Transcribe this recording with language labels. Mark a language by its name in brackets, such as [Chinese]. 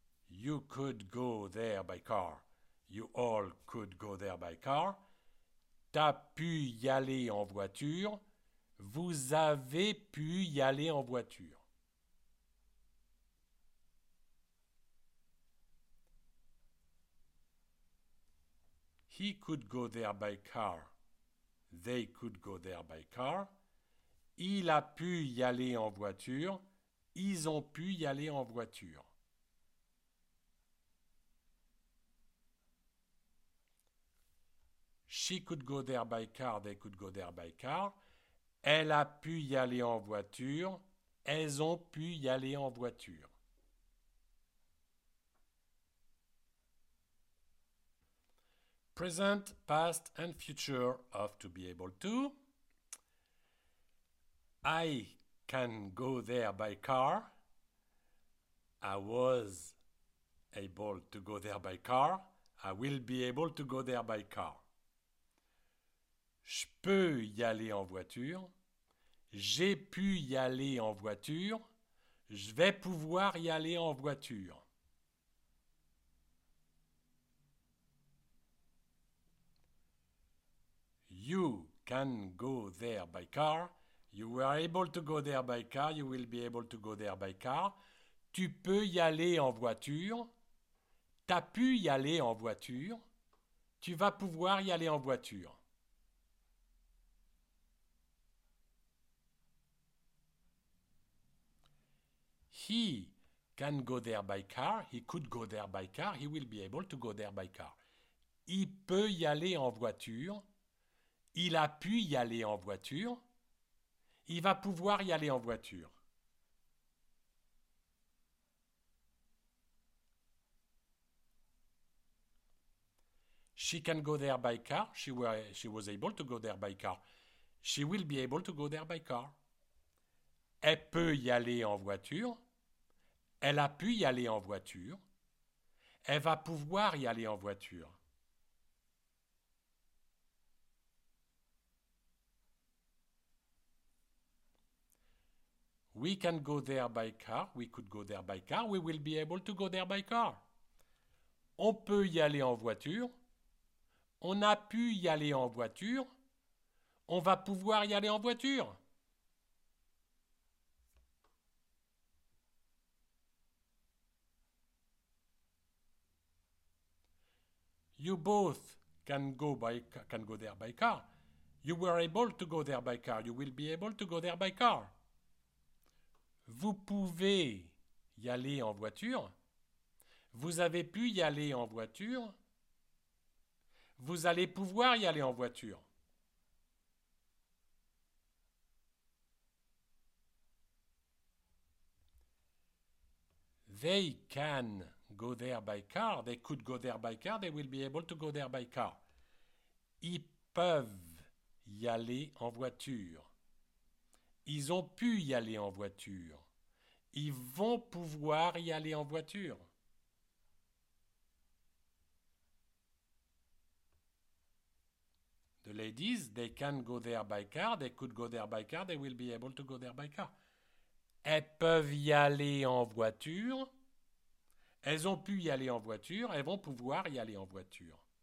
[English] You could go there by car. You all could go there by car. [French] T'as pu y aller en voiture. Vous avez pu y aller en voiture. [English] He could go there by car. They could go there by car. [French] Il a pu y aller en voiture. Ils ont pu y aller en voiture. [English] She could go there by car. They could go there by car. [French] Elle a pu y aller en voiture. Elles ont pu y aller en voiture. [English] Present, past, and future of to be able to. I can go there by car. I was able to go there by car. I will be able to go there by car. [French] Je peux y aller en voiture. J'ai pu y aller en voiture. Je vais pouvoir y aller en voiture. [English] You can go there by car. You were able to go there by car. You will be able to go there by car. [French] Tu peux y aller en voiture. T'as pu y aller en voiture. Tu vas pouvoir y aller en voiture. [English] He can go there by car. He could go there by car. He will be able to go there by car. [French] Il peut y aller en voiture. Il a pu y aller en voiture. Il va pouvoir y aller en voiture. [English] She can go there by car. She was able to go there by car. She will be able to go there by car. [French] Elle peut y aller en voiture. Elle a pu y aller en voiture. Elle va pouvoir y aller en voiture. [English] We can go there by car. We could go there by car. We will be able to go there by car. [French] On peut y aller en voiture. On a pu y aller en voiture. On va pouvoir y aller en voiture. [English] You both can go there by car. You were able to go there by car. You will be able to go there by car. [French] Vous pouvez y aller en voiture. Vous avez pu y aller en voiture. Vous allez pouvoir y aller en voiture. [English] They can go there by car. They could go there by car. They will be able to go there by car. [French] Ils peuvent y aller en voiture. Ils ont pu y aller en voiture. Ils vont pouvoir y aller en voiture. [English] The ladies, they can go there by car, they could go there by car, they will be able to go there by car. [French] Elles peuvent y aller en voiture. Elles ont pu y aller en voiture. Elles vont pouvoir y aller en voiture.